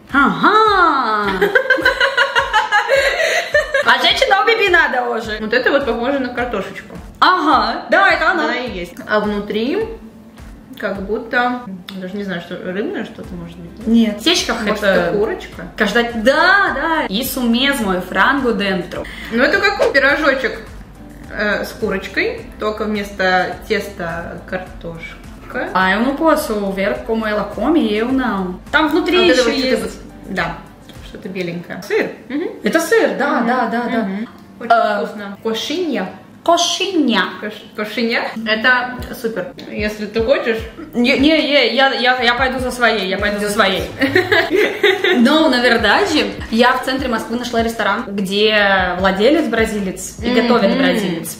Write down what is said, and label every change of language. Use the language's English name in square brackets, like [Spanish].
[Russian] Ага. А женщина убеби надо уже. Вот это вот похоже на картошечку. Ага. Да, это она и есть. А внутри как будто, даже не знаю, что рыбное что-то может быть. Нет. Сечка может, это курочка. Каждая. Да, да. [Portuguese] Isso mesmo, frango dentro. [Russian] Ну это как пирожочек с курочкой, только вместо теста картошка. А я не [Portuguese] posso ver como ela come, eu não. [Russian] Там внутри вот еще вот есть. Вот, да. Это беленькое. Сыр? Mm-hmm. Это сыр, да, mm-hmm. Да, да, да. Mm-hmm. Очень вкусно. Кошинья. Кошинья? Это супер. Если ты хочешь. Не, я пойду за своей, я пойду за своей. Но, на вердаже, я в центре Москвы нашла ресторан, где владелец бразилец и mm-hmm. готовит бразилец.